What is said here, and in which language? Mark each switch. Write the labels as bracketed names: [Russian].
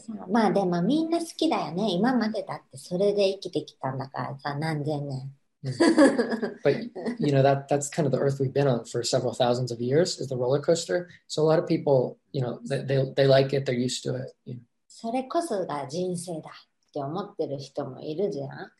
[Japanese] まあでもみんな好きだよね。今までだってそれで生きてきたんだからさ、何千年。 [English] But you know that's kind of the earth we've been on for several thousands of years is the roller coaster. So a lot of people, you know, they like it. They're used to it. You know. [Japanese] それこそが人生だって思ってる人もいるじゃん。